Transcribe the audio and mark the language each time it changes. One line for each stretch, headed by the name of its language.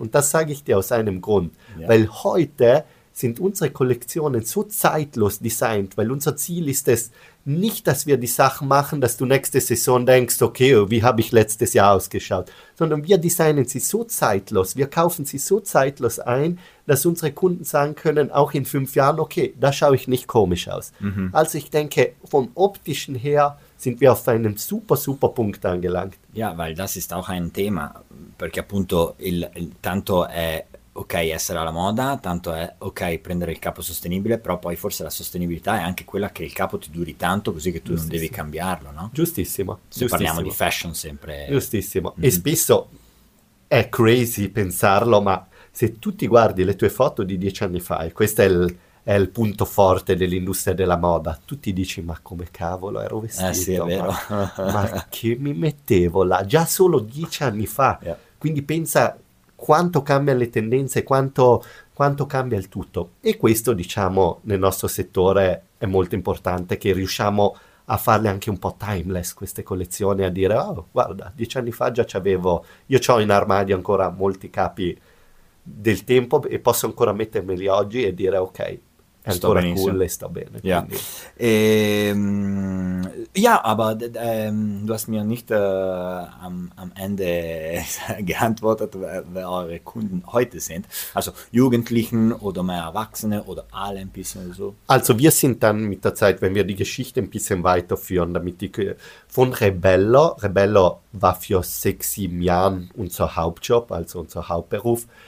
German: Und das sage ich dir aus einem Grund. Ja. Weil heute sind unsere Kollektionen so zeitlos designt, weil unser Ziel ist es, nicht, dass wir die Sachen machen, dass du nächste Saison denkst, okay, wie habe ich letztes Jahr ausgeschaut, sondern wir designen sie so zeitlos, wir kaufen sie so zeitlos ein, dass unsere Kunden sagen können, auch in 5 Jahren, okay, da schaue ich nicht komisch aus. Mhm. Also ich denke, vom Optischen her sind wir auf einem super, super Punkt angelangt.
Italian: Ja, weil das ist auch ein Thema, perché appunto tanto è ok essere alla moda, tanto è ok prendere il capo sostenibile, però poi forse la sostenibilità è anche quella che il capo ti duri tanto, così che tu non devi cambiarlo, no? Giustissimo. Se parliamo di fashion sempre. Giustissimo. Mm-hmm. E spesso è crazy pensarlo, ma se tu ti guardi le tue foto di 10 anni fa, e questo è il punto forte dell'industria della moda, tu ti dici, ma come cavolo ero vestito? Sì, è vero. Ma che mi mettevo là? Già solo 10 anni fa. Yeah. Quindi pensa quanto cambiano le tendenze, quanto cambia il tutto. E questo, diciamo, nel nostro settore è molto importante, che riusciamo a farle anche un po' timeless queste collezioni, a dire, oh, guarda, 10 anni fa già c'avevo, io c'ho in armadio ancora molti capi del tempo e posso ancora mettermeli oggi e dire, ok, è ancora cool e sto bene.
German: Ja, aber du hast mir nicht am Ende geantwortet, wer eure Kunden heute sind. Also Jugendlichen oder mehr Erwachsene oder alle ein bisschen so. Also wir sind dann mit der Zeit, wenn wir die Geschichte ein bisschen weiterführen, damit die von Rebello war für 6-7 Jahren unser Hauptjob, also unser Hauptberuf.